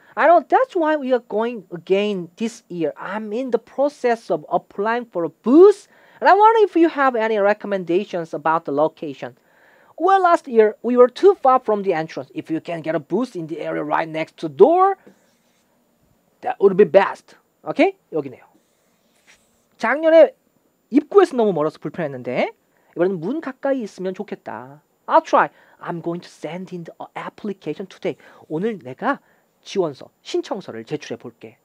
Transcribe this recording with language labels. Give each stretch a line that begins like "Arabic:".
English: I know that's why we are going again this year. I'm in the process of applying for a booth, and I wonder if you have any recommendations about the location. Well, last year, we were too far from the entrance. If you can get a booth in the area right next to the door, that would be best.
Korean: Okay? 여기네요. 작년에 입구에서 너무 멀어서 불편했는데 이번엔 문 가까이 있으면 좋겠다.
English: I'll try. I'm going to send in the application today.
Korean: 오늘 내가 지원서, 신청서를 제출해 볼게.